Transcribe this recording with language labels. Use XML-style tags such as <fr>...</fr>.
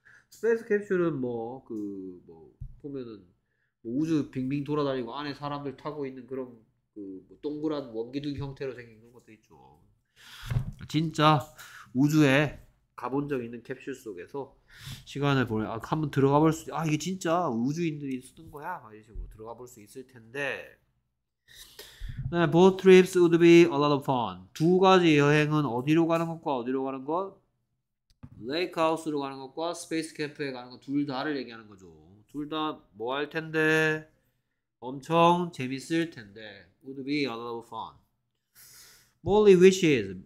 <ko>스페이스 캡슐은 뭐 그 뭐 보면은 뭐 우주 빙빙 돌아다니고 안에 사람들 타고 있는 그런 그 뭐 동그란 원기둥 형태로 생긴 그런 것도 있죠. 진짜 우주에 가본 적 있는 캡슐 속에서 시간을 보내. 아, 한번 들어가 볼 수, 아, 이게 진짜 우주인들이 쓰는 거야? 막 이런 식으로 들어가 볼 수 있을 텐데.</ko> <en>네, both trips would be a lot of fun.</en> <ko>두 가지 여행은 어디로 가는 것과 어디로 가는 것? 레이크 하우스로 가는 것과 스페이스 캠프에 가는 것, 둘 다를 얘기하는 거죠. 둘 다 뭐 할 텐데? 엄청 재밌을 텐데.</ko> <en>would be a lot of fun. Molly wishes.</en>